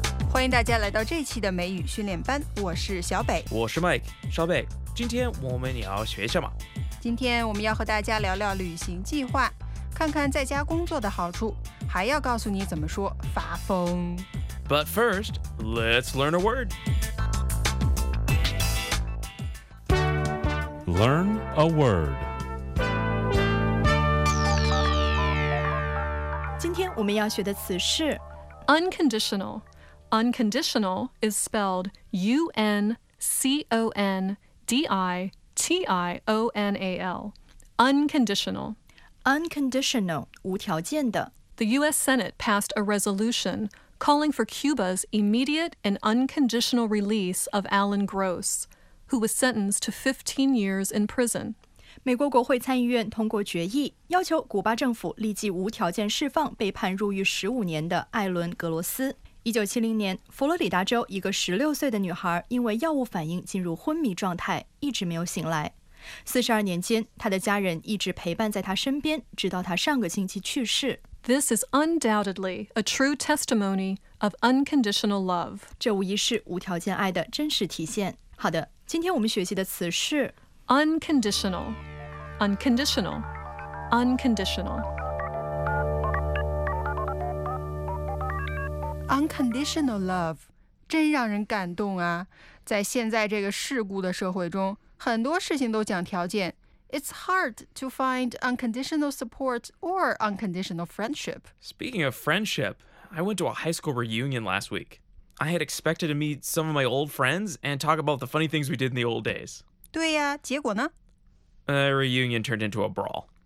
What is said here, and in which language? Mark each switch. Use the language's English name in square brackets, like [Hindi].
[Chinese] 欢迎大家来到这期的美语训练班，我是小北，我是 Mike。小北，今天我们要学什么？今天我们要和大家聊聊旅行计划，看看在家工作的好处，还要告诉你怎么说发疯。 [English] But first, let's learn a word. Learn a word. [Chinese] 今天我们要学的词是 [English] Unconditional. Unconditional is spelled UNCONDITIONAL. Unconditional. [Chinese] Unconditional, 无条件的。 [English] The U.S. Senate passed a resolution calling for Cuba's immediate and unconditional release of Alan Gross, who was sentenced to 15 years in prison. [Chinese] 美国国会参议院通过决议，要求古巴政府立即无条件释放被判入狱15年的艾伦·格罗斯。 1970年，佛罗里达州一个16岁的女孩因为药物反应进入昏迷状态，一直没有醒来。 42年间，他的家人一直陪伴在他身边，直到他上个星期去世。 [English] This is undoubtedly a true testimony of unconditional love. [Chinese] 这无疑是无条件爱的真实体现。好的，今天我们学习的词是 [English] unconditional, unconditional, unconditional. Unconditional love, [Chinese] 真让人感动啊！在现在这个世故的社会中，很多事情都讲条件。 [English] It's hard to find unconditional support or unconditional friendship. Speaking of friendship, I went to a high school reunion last week. I had expected to meet some of my old friends and talk about the funny things we did in the old days. [Chinese] 对呀，结果呢？ [English] A reunion turned into a brawl.